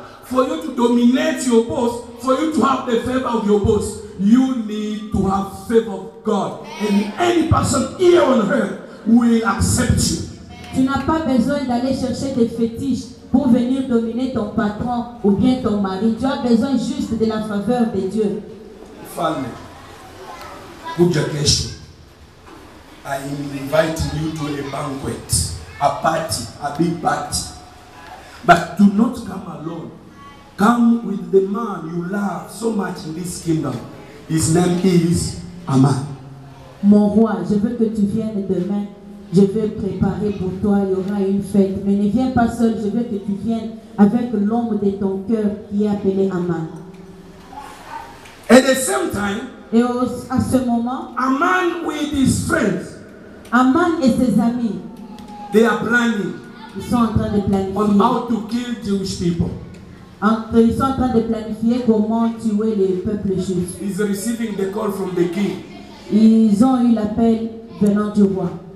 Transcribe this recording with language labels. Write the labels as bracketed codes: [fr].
[en] For you to dominate your boss, for you to have the favor of your boss, you need to have favor of God. And any person here on earth will accept you. [fr] Tu n'as pas besoin d'aller chercher des fétiches pour venir dominer ton patron ou bien ton mari. Tu as besoin juste de la faveur de Dieu. [sw] Femme. Kuja kesho. [en] I invite you to a banquet, a party, a big party. But do not come alone. Come with the man you love so much in this kingdom. His name is Aman. [fr] Mon roi, je veux que tu viennes demain. Je vais préparer pour toi. Il y aura une fête. Mais ne viens pas seul. Je veux que tu viennes avec l'homme de ton cœur qui est appelé Aman. [en] At the same time, [fr] et à ce moment, [en] Aman with his friends, [fr] Aman et ses amis, [en] they are planning, [fr] ils sont en train de planifier, [en] on how to kill Jewish people. [fr] Ils sont en train de planifier comment tuer les peuples juifs. [en] He's receiving the call from the king. [fr] Ils ont eu l'appel venant du roi.